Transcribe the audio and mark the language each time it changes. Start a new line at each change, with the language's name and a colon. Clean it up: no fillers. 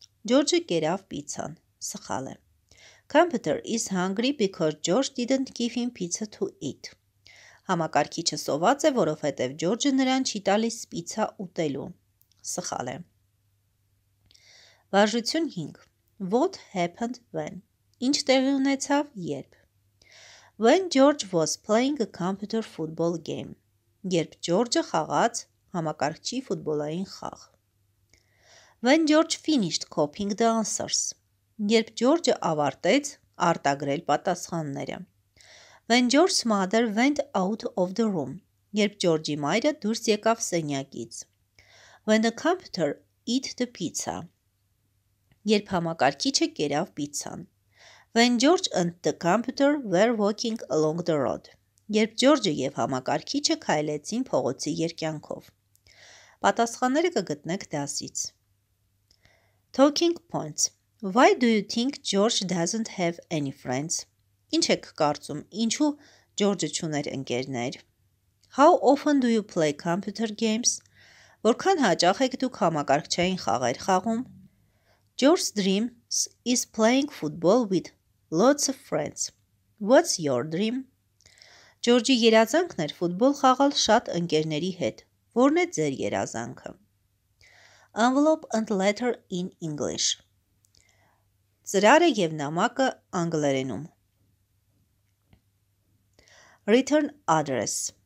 Armenian: George-ը կերավ պիցան։ Սխալ է։
English: Computer is hungry because George didn't give him pizza to eat.
Armenian: Համակարգիչը սոված է, որովհետև George-ը նրան չի տալիս պիցա ուտելու։ Սխալ է։ Վարժություն 5.
English: What happened when?
Armenian: Ինչ տեղի ունեցավ, երբ?
English: When George was playing a computer football game.
Armenian: Երբ George-ը խաղաց համակարգչի ֆուտբոլային խաղ։
English: When George finished copying the answers.
Armenian: Երբ George-ը ավարտեց արտագրել պատասխանները։
English: When George's mother went out of the room.
Armenian: Երբ George-ի մայրը դուրս եկավ սենյակից։
English: When the computer ate the pizza.
Armenian: Երբ համակարգիչը կերավ պիցան։
English: When George and the computer were walking along the road.
Armenian: Երբ George-ը եւ համակարգիչը քայլեցին փողոցի երկյանքով։ Պատասխանները կգտնեք դասից։
English: Talking points. Why do you think George doesn't have any friends?
Armenian: Ինչ եք կարծում, ինչու George-ը չուներ ընկերներ?
English: How often do you play computer games?
Armenian: Որքան հաճախ եք դուք համակարգչային խաղեր խաղում?
English: George's dream is playing football with lots of friends. What's your dream?
Armenian: George-ի երազանքն էր ֆուտբոլ խաղալ շատ ընկերների հետ։ Որն է ձեր երազանքը?
English: Envelope and letter in English.
Armenian: Ծրարը եւ նամակը անգլերենում։
English: Return address.